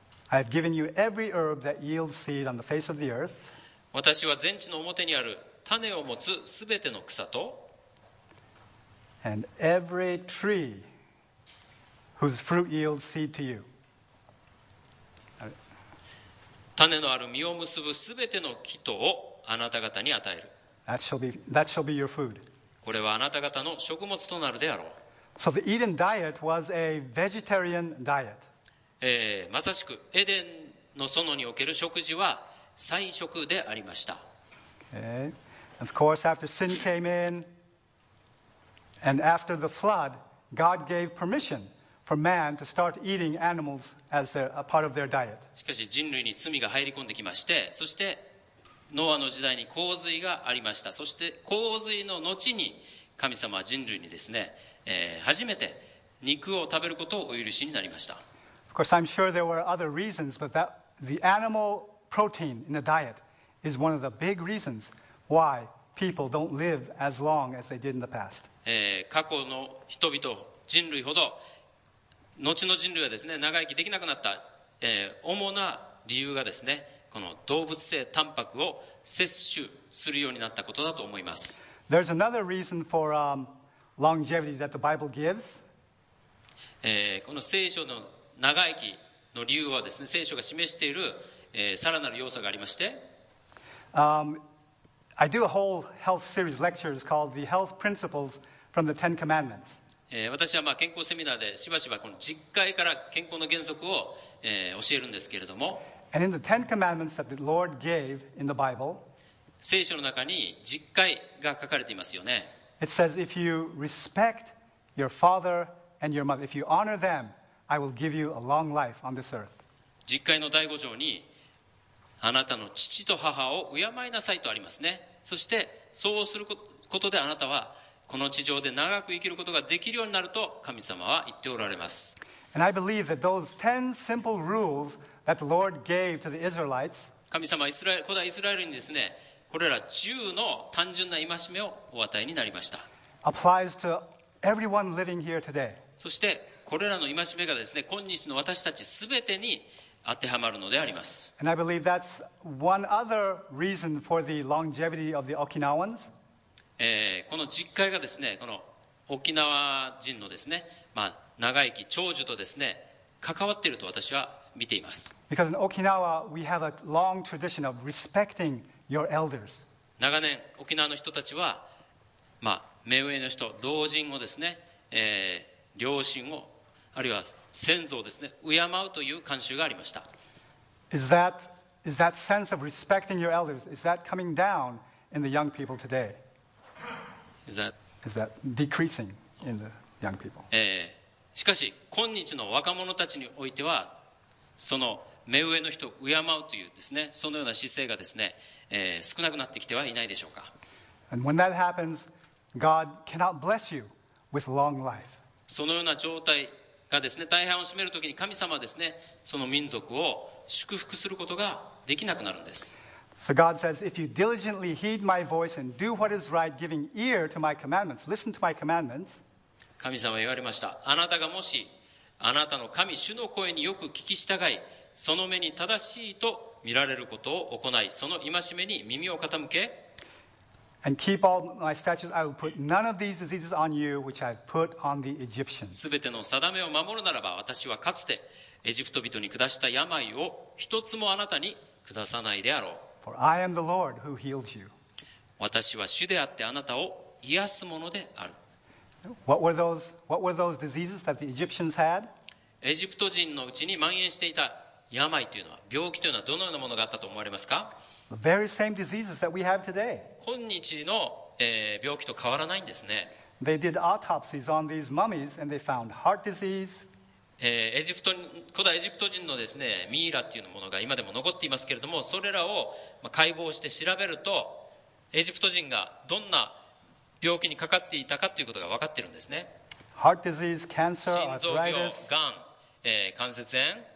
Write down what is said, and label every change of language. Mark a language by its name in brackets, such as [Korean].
[English] I have given you every herb that yields seed on the face of the earth. [Japanese] 私は全地の表にある種を持つすべての草と、 [English] And every tree whose fruit yields seed to you. [Japanese] 種のある実を結ぶすべての木とをあなた方に与える。 [English] That shall be your food. [Japanese] これはあなた方の食物となるであろう。 [English] So the Eden diet was a vegetarian diet. [Japanese] まさしくエデンの園における食事は菜食でありました。 [English] Okay. Of course, after sin came in. And after the flood, God gave permission for man to start eating animals as a part of their diet. [Japanese] しかし人類に罪が入り込んできまして、そしてノアの時代に洪水がありました。そして洪水の後に神様は人類にですね、初めて肉を食べることをお許しになりました。 [English] Of course, I'm sure there were other reasons, but that the animal protein in the diet is one of the big reasons why people don't live as long as they did in the past. [Japanese] 過去の人々、人類ほど、後の人類はですね、長生きできなくなった、主な理由がですね、この動物性タンパクを摂取するようになったことだと思います。 [English] There's another reason for longevity that the Bible gives. [Japanese] この聖書の長生きの理由はですね、聖書が示しているさらなる要素がありまして、 [English] I do a whole health series lectures called The Health Principles from the Ten Commandments. [Japanese] 私はまあ健康セミナーでしばしばこの実戒から健康の原則を教えるんですけれども、 [English] And in the Ten Commandments that the Lord gave in the Bible, [Japanese] 聖書の中に実戒が書かれていますよね。 [English] It says if you respect your father and your mother, if you honor them. I will give you a long life on this earth. [Japanese] 実戒の第五条にあなたの父と母を敬いなさいとありますね。そしてそうすることであなたはこの地上で長く生きることができるようになると神様は言っておられます。 [English] And I believe that those ten simple rules that the Lord gave to the Israelites, [Japanese] 神様は古代イスラエルにですね、これら十の単純な戒めをお与えになりました。 [English] Applies to everyone living here today. [Japanese] そしてこれらの戒めがですね、今日の私たちすべてに当てはまるのであります。 [English] And I believe that's one other reason for the longevity of the Okinawans. [Japanese] この実戒がですね、この沖縄人のですね、まあ、長生き長寿とですね、関わっていると私は見ています。 [English] Because in Okinawa we have a long tradition of respecting your elders. [Japanese] 長年沖縄の人たちは、まあ、目上の人、老人をですね、両親をあるいは先祖をですね敬うという慣習がありました。 [English] Is that sense of respecting your elders, is that coming down in the young people today? Is that decreasing in the young people? [Japanese] しかし今日の若者たちにおいてはその目上の人を敬うというですねそのような姿勢がですね、少なくなってきてはいないでしょうか。 [English] And when that happens, God cannot bless you with long life. [Japanese] そのような状態がですね、大半を占めるときに神様はですね、その民族を祝福することができなくなるんです。 [English] So God says, if you diligently heed my voice and do what is right, giving ear to my commandments, listen to my commandments. [Japanese] 神様は言われました。あなたがもし、あなたの神、主の声によく聞き従い、その目に正しいと見られることを行い、その戒めに耳を傾け、 [English] And keep all my statutes. I will put none of these diseases on you, which I've put on the Egyptians. [Japanese] すべての定めを守るならば、私はかつてエジプト人に下した病を一つもあなたに下さないであろう。 [English] For I am the Lord who heals you. [Japanese] 私は主であってあなたを癒すものである。 [English] What were those diseases that the Egyptians had? [Japanese] エジプト人のうちに蔓延していた病というのは、病気というのはどのようなものがあったと思われますか？ [English] The very same diseases that we have today. [Japanese] 今日の、病気と変わらないんですね。 [English] They did autopsies on these mummies and they found heart disease. [Japanese] 古代エジプト人のですね、ミイラっていうものが今でも残っていますけれども、それらを解剖して調べると、エジプト人がどんな病気にかかっていたかということが分かっているんですね。 [English] Heart disease, cancer, arthritis. [Japanese] 心臓病、癌、関節炎、